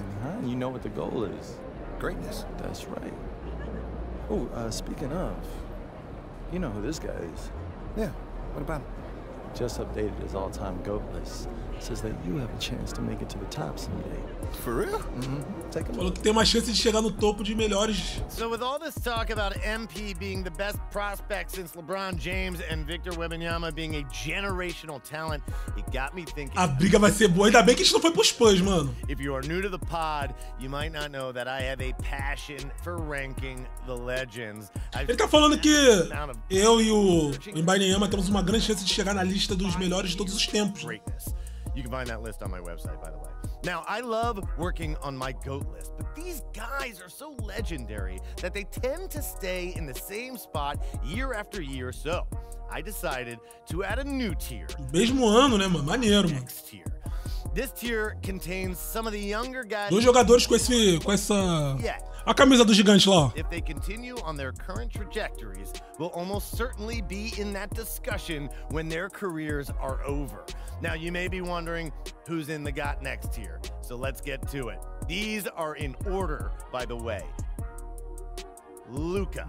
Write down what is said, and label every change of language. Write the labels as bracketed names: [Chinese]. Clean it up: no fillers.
[English] Uh-huh. You know what the goal is. Greatness. That's right. Oh, speaking of, you know who this guy is. Yeah, what about him? Just updated his all-time GOAT list. Says that you have a chance to make it to the top someday. For real? Mm-hmm. Take a look. [Portuguese] Falou que tem uma chance de chegar no topo de melhores. [English] So with all this talk about MP being the best prospect since LeBron James and Victor Wembanyama being a generational talent, it got me thinking... [Portuguese] A briga vai ser boa. Ainda bem que a gente não foi pros fãs, mano. [English] If you are new to the pod, you might not know that I have a passion for ranking the legends. [Portuguese] Ele tá falando que eu e o Wembanyama temos uma grande chance de chegar na lista dos melhores de todos os tempos. [English] Greatness. You can find that list on my website, by the way. Now, I love working on my GOAT list, but these guys are so legendary that they tend to stay in the same spot year after year. So, I decided to add a new tier. [Portuguese] O mesmo ano, né, mano? Maneiro, mano. [English] Next tier. This tier contains some of the younger guys. [Portuguese] Dois jogadores com esse, com essa, a camisa do gigante lá. [English] If they continue on their current trajectories, will almost certainly be in that discussion when their careers are over. Now you may be wondering who's in the GOAT next tier. So let's get to it. These are in order, by the way. Luka.